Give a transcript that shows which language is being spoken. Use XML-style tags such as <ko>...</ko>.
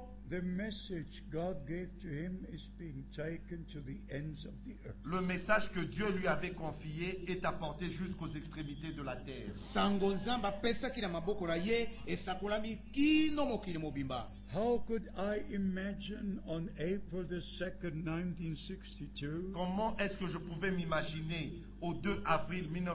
<en>The message God gave to him is being taken to the ends of the earth.</en> <fr>Le message que Dieu lui avait confié est apporté jusqu'aux extrémités de la terre.</fr> <en>How could I imagine on April the 2nd, 1962?</en> <fr>Comment est-ce que je pouvais m'imaginer au 2 avril</fr>